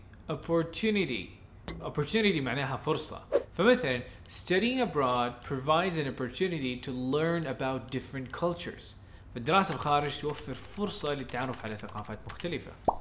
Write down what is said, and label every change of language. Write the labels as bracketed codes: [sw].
[ar] Opportunity معناها فرصة. فمثلا [en] studying abroad provides an opportunity to learn about different cultures. [ar] فالدراسة الخارج توفر فرصة للتعرف على ثقافات مختلفة.